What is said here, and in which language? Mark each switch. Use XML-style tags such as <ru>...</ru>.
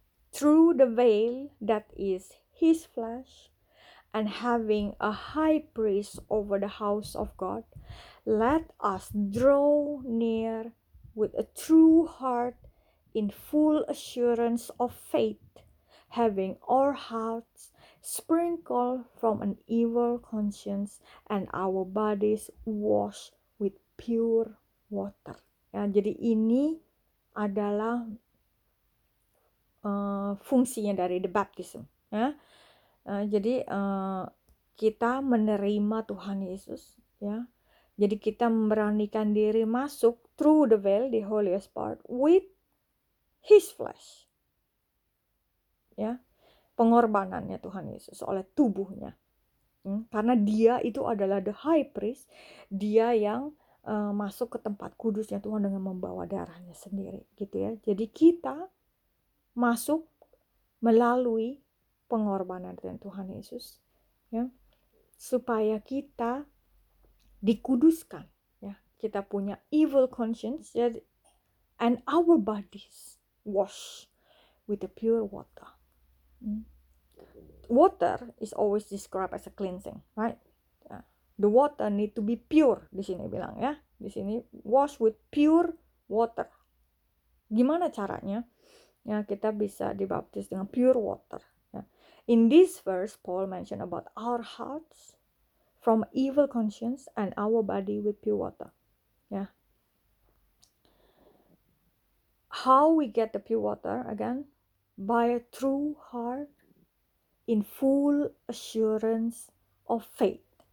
<en>through the veil that is his flesh, and having a high priest over the house of God, let us draw near with a true heart in full assurance of faith, having our hearts sprinkled from an evil conscience and our bodies washed with pure water.</en> <id>Ya, jadi ini adalah fungsinya dari</id> <en>the baptism.</en> <id>Ya. Kita menerima Tuhan Yesus. Ya. Jadi kita memberanikan diri masuk</id> <en>through the veil, the holiest part, with his flesh.</en> <id>Ya, pengorbanannya Tuhan Yesus oleh tubuhnya, karena dia itu adalah</id> <en>the high priest,</en> <id>dia yang masuk ke tempat kudusnya Tuhan dengan membawa darahnya sendiri gitu ya. Jadi kita masuk melalui pengorbanan dari Tuhan Yesus ya, supaya kita dikuduskan ya, kita punya evil conscience ya,</id> <en>and our bodies wash with the pure water. Water is always described as a cleansing, right? The water need to be pure,</en> <id>di sini bilang ya. Di sini</id> <en>wash with pure water.</en> <id>Gimana caranya? Ya, kita bisa dibaptis dengan pure water. Ya.</id> <en>In this verse, Paul mentioned about our hearts from evil conscience and our body with pure water. Ya. How we get the pure water again? By a true heart in full assurance of faith.</en>